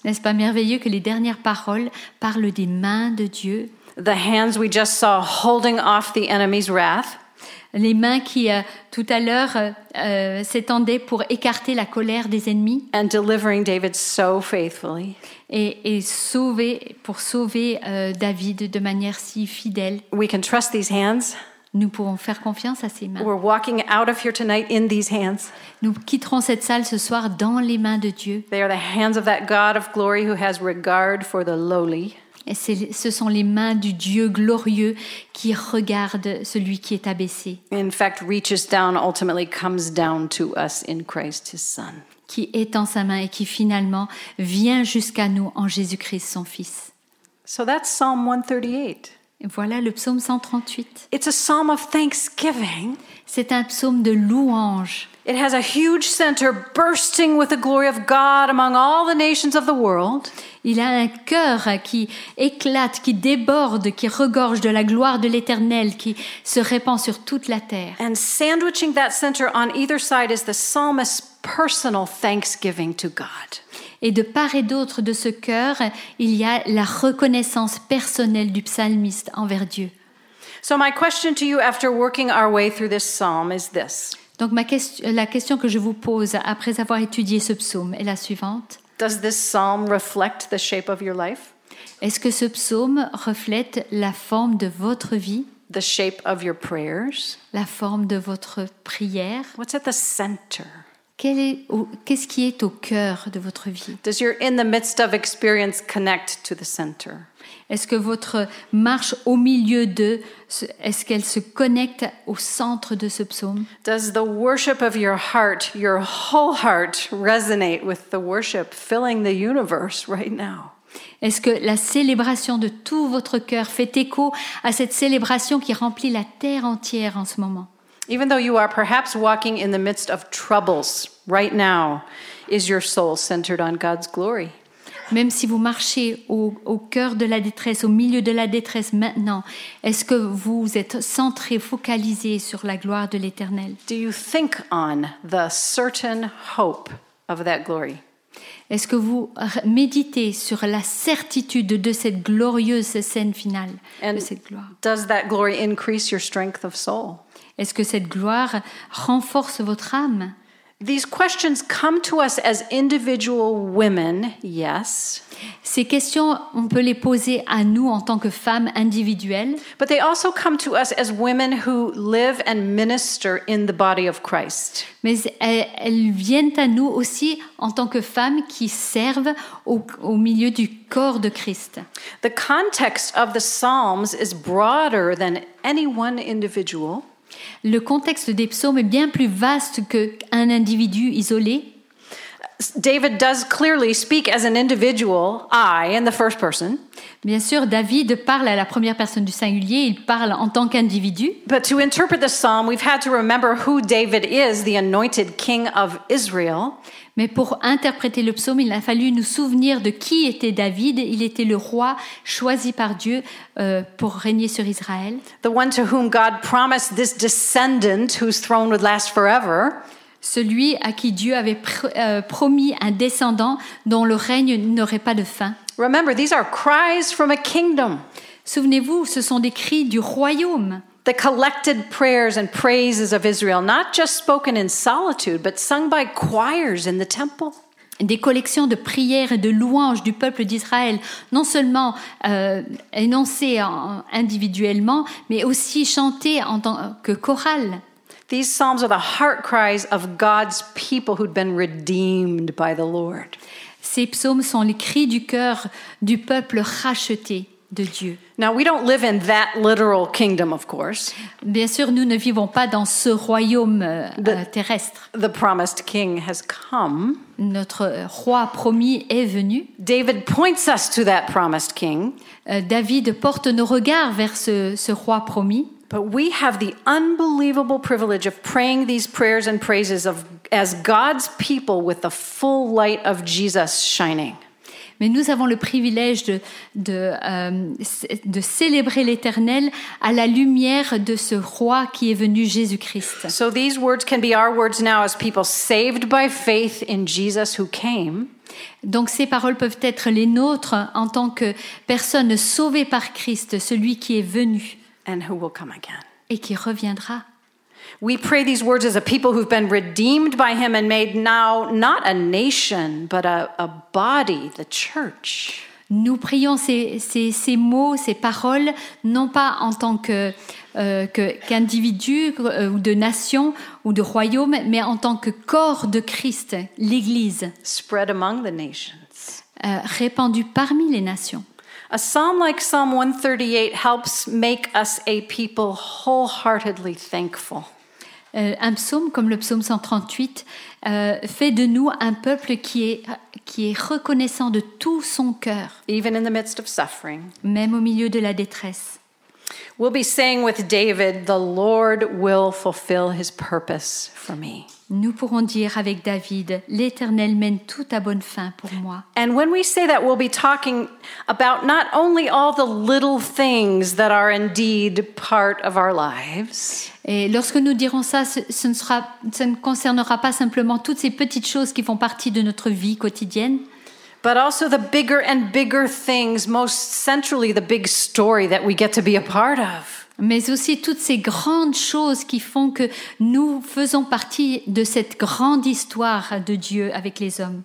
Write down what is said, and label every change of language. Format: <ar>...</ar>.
<fr>N'est-ce pas merveilleux que les dernières paroles parlent des mains de Dieu?</fr> <en>The hands we just saw holding off the enemy's wrath.</en> <fr>Les mains qui tout à l'heure s'étendaient pour écarter la colère des ennemis.</fr> <en>And delivering David so faithfully.</en> <fr>Et sauver David de manière si fidèle.</fr> <en>We can trust these hands.</en> <fr>Nous pouvons faire confiance à ces mains.</fr> <en>We're walking out of here tonight in these hands.</en> <fr>Nous quitterons cette salle ce soir dans les mains de Dieu.</fr> <en>They are the hands of that God of glory who has regard for the lowly.</en> <fr>Et ce sont les mains du Dieu glorieux qui regarde celui qui est abaissé.</fr> <en>In fact, reaches down, ultimately comes down to us in Christ, his Son.</en> <fr>Qui étend sa main et qui finalement vient jusqu'à nous en Jésus-Christ, son Fils.</fr> <en>So that's Psalm 138.</en> <fr>Et voilà le psaume 138.</fr> <en>It's a psalm of thanksgiving.</en> <fr>C'est un psaume de louange.</fr> <en>It has a huge center bursting with the glory of God among all the nations of the world.</en> <fr>Il a un cœur qui éclate, qui déborde, qui regorge de la gloire de l'Éternel qui se répand sur toute la terre.</fr> <en>And sandwiching that center on either side is the psalmist's personal thanksgiving to God.</en> <fr>Et de part et d'autre de ce cœur, il y a la reconnaissance personnelle du psalmiste envers Dieu.</fr> <en>So my question to you after working our way through this psalm is this.</en> <fr>Donc la question que je vous pose après avoir étudié ce psaume est la suivante.</fr> <en>Does this psalm reflect the shape of your life?</en> <fr>Est-ce que ce psaume reflète la forme de votre vie?</fr> <en>The shape of your prayers?</en> <fr>La forme de votre prière?</fr> <en>What's at the center?</en> <fr>Qu'est-ce qui est au cœur de votre vie?</fr> <en>Does your in the midst of experience connect to the center?</en> <fr>Est-ce que votre marche au milieu d'eux, est-ce qu'elle se connecte au centre de ce psaume?</fr> <en>Does the worship of your heart, your whole heart, resonate with the worship filling the universe right now?</en> <fr>Est-ce que la célébration de tout votre cœur fait écho à cette célébration qui remplit la terre entière en ce moment?</fr> <en>Even though you are perhaps walking in the midst of troubles right now, is your soul centered on God's glory?</en> <fr>Même si vous marchez au cœur de la détresse, au milieu de la détresse maintenant, est-ce que vous êtes centré, focalisé sur la gloire de l'Éternel?</fr> <en>Do you think on the certain hope of that glory?</en> <fr>Est-ce que vous méditez sur la certitude de cette glorieuse scène finale,</fr> <en>and</en> <fr>de cette gloire?</fr> <en>Does that glory increase your strength of soul?</en> <fr>Est-ce que cette gloire renforce votre âme?</fr> <en>These questions come to us as individual women, yes.</en> <fr>Ces questions, on peut les poser à nous en tant que femmes individuelles.</fr> <en>But they also come to us as women who live and minister in the body of Christ.</en> <fr>Mais elles viennent à nous aussi en tant que femmes qui servent au milieu du corps de Christ.</fr> <en>The context of the Psalms is broader than any one individual.</en> <fr>Le contexte des psaumes est bien plus vaste qu'un individu isolé.</fr> <en>David does clearly speak as an individual, I, in the first person.</en> <fr>Bien sûr, David parle à la première personne du singulier, il parle en tant qu'individu.</fr> <en>But to interpret the psalm, we've had to remember who David is, the anointed king of Israel.</en> <fr>Mais pour interpréter le psaume, il a fallu nous souvenir de qui était David. Il était le roi choisi par Dieu pour régner sur Israël.</fr> <en>The one to whom God promised this descendant whose throne would last forever.</en> <fr>Celui à qui Dieu avait promis un descendant dont le règne n'aurait pas de fin.</fr> <en>Remember, these are cries from a kingdom.</en> <fr>Souvenez-vous, ce sont des cris du royaume.</fr> <en>The collected prayers and praises of Israel, not just spoken in solitude, but sung by choirs in the temple.</en> <fr>Des collections de prières et de louanges du peuple d'Israël, non seulement énoncées individuellement, mais aussi chantées en tant que chorale.</fr> <en>These psalms are the heart cries of God's people who'd been redeemed by the Lord.</en> <fr>Ces psaumes sont les cris du cœur du peuple racheté de Dieu.</fr> <en>Now we don't live in that literal kingdom, of course.</en> <fr>Bien sûr, nous ne vivons pas dans ce royaume terrestre.</fr> <en>The promised king has come.</en> <fr>Notre roi promis est venu.</fr> <en>David points us to that promised king.</en> <fr>David porte nos regards vers ce roi promis.</fr> <en>But we have the unbelievable privilege of praying these prayers and praises as God's people with the full light of Jesus shining.</en> <fr>mais nous avons le privilège de célébrer l'Éternel à la lumière de ce roi qui est venu, Jésus-Christ.</fr> <en>So these words can be our words now as people saved by faith in Jesus who came.</en> <fr>Donc ces paroles peuvent être les nôtres en tant que personne sauvée par Christ, celui qui est venu</fr> <en>and who will come again.</en> <fr>Et qui reviendra.</fr> <en>We pray these words as a people who've been redeemed by him and made now not a nation but a body, the church.</en> <fr>Nous prions ces mots, ces paroles, non pas en tant qu'individu ou de nation ou de royaume, mais en tant que corps de Christ, l'Église.</fr> <en>Spread among the nations.</en> <fr>Répandu parmi les nations.</fr> <en>A psalm like Psalm 138 helps make us a people wholeheartedly thankful.</en> <fr>Un psaume comme le psaume 138 fait de nous un peuple qui est reconnaissant de tout son cœur.</fr> <en>Even in the midst of suffering.</en> <fr>Même au milieu de la détresse.</fr> <en>We'll be saying with David, the Lord will fulfill his purpose for me.</en> <fr>Nous pourrons dire avec David, l'Éternel mène tout à bonne fin pour moi.</fr> <en>And when we say that, we'll be talking about not only all the little things that are indeed part of our lives.</en> <fr>Et lorsque nous dirons ça, ce ne concernera pas simplement toutes ces petites choses qui font partie de notre vie quotidienne.</fr> <en>But also the bigger and bigger things, most centrally the big story that we get to be a part of.</en> <fr>Mais aussi toutes ces grandes choses qui font que nous faisons partie de cette grande histoire de Dieu avec les hommes.</fr>